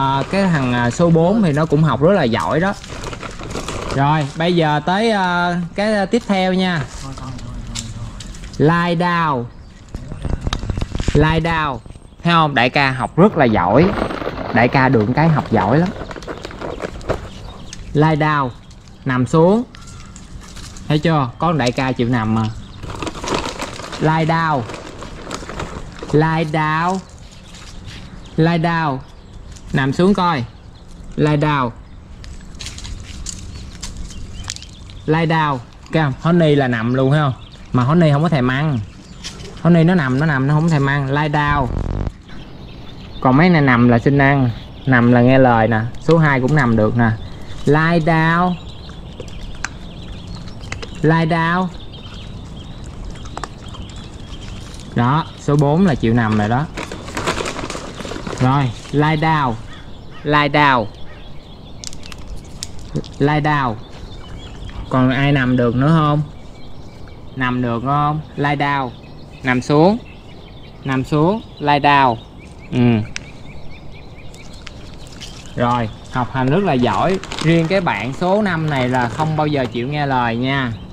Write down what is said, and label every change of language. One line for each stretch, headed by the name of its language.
Vietnamese: Cái thằng số 4 thì nó cũng học rất là giỏi đó. Rồi bây giờ tới cái tiếp theo nha.
English: Lie down. Lie down.
Vietnamese: Thấy không đại ca học rất là giỏi. Đại ca được cái học giỏi lắm.
English: Lie down.
Vietnamese: Nằm xuống. thấy chưa, con đại ca chịu nằm mà.
English: Lie down, lie down, lie down,
Vietnamese: nằm xuống coi,
English: lie down, lie down.
Vietnamese: Cái honey là nằm luôn phải không, mà honey không có thèm ăn, honey nó nằm nó không thèm ăn,
English: lie down.
Vietnamese: Còn mấy này nằm là xin ăn, nằm là nghe lời nè, số 2 cũng nằm được nè.
English: Lie down, lie down.
Vietnamese: Đó, số 4 là chịu nằm rồi đó.
English: Rồi, lie down, lie down, lie down.
Vietnamese: Còn ai nằm được nữa không? Nằm được không?
English: Lie down,
Vietnamese: nằm xuống, nằm xuống,
English: lie down.
Vietnamese: Ừ. Rồi, học hành rất là giỏi. Riêng cái bạn số 5 này là không bao giờ chịu nghe lời nha.